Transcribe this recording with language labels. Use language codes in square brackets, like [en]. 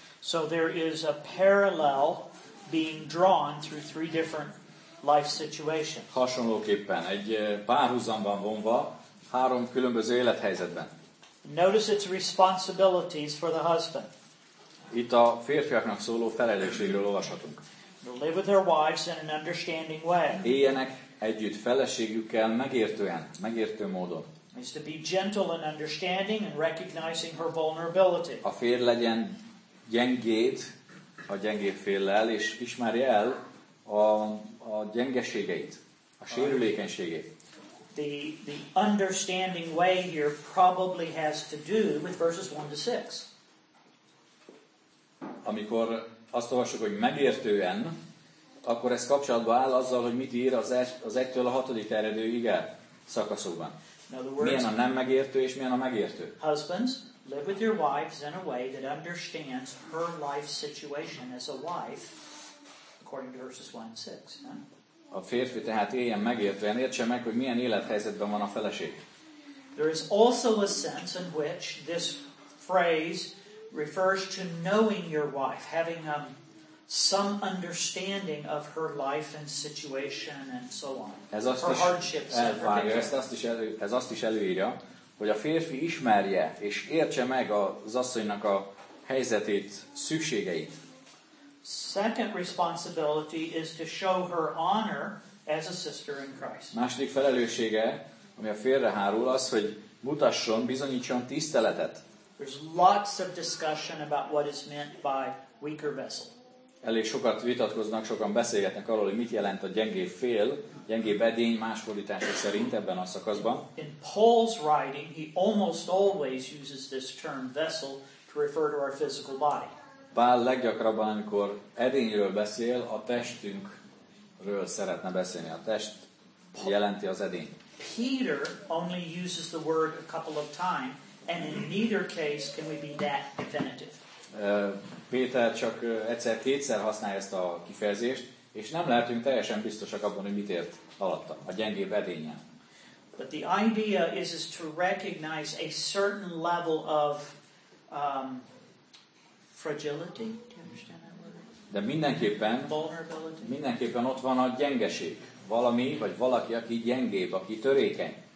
[en] So there is a parallel being drawn through three different life situations. [hu] Hasonlóképpen egy párhuzam van vonva három különböző élethelyzetben. [en] Notice its responsibilities for the husband. [hu] Itt a férfiaknak szóló felelősségről olvashatunk. [en] Live with their wives in an understanding way. [hu] Éljenek együtt feleségükkel megértően, megértő módon. [en] Is to be gentle in understanding and recognizing her vulnerability. [hu] A férj legyen gyengéd, a gyengébb féllel, és ismerje el a gyengeségeit, a sérülékenységét. [en] The understanding way here probably has to do with verses 1-6. [hu] Amikor azt olvassuk, hogy megértően, akkor ez kapcsolatban áll azzal, hogy mit ír az 1-től a 6-dik eredő ige szakaszokban. Milyen a nem megértő, és milyen a megértő? [en] Husbands, live with your wives in a way that understands her life situation as a wife, according to verses 1-6. [hu] A férfi tehát éljen megértően, értse meg, hogy milyen élethelyzetben van a feleség. [en] There is also a sense in which this phrase refers to knowing your wife, having some understanding of her life and situation and so on. [hu] Ez azt [en] her is hardships [hu] elvárja, [en] and her pain. [hu] Ez azt is előírja, hogy a férfi ismerje és értse meg az asszonynak a helyzetét, szükségeit. [en] Second responsibility is to show her honor as a sister in Christ. [hu] Második felelőssége, ami a férre hárul, az, hogy mutasson, bizonyítson tiszteletet. [en] There's lots of discussion about what is meant by weaker vessel. [hu] Elég sokat vitatkoznak, sokan beszélgetnek arról, hogy mit jelent a gyengébb fél, gyengébb edény más fordítások szerint ebben a szakaszban. [en] In Paul's writing, he almost always uses this term vessel to refer to our physical body. [hu] Pál leggyakrabban, amikor edényről beszél, a testünkről szeretne beszélni. A test jelenti az edény. [en] Peter only uses the word a couple of times, and in neither case can we be that definitive. [hu] Péter csak egyszer-kétszer használja ezt a kifejezést, és nem lehetünk teljesen biztosak abban, hogy mit ért alatta, a gyengébb edényen. [en] But the idea is to recognize a certain level of fragility. [hu] De mindenképpen ott van a gyengeség. Valami, vagy valaki, aki gyengébb, aki törékeny.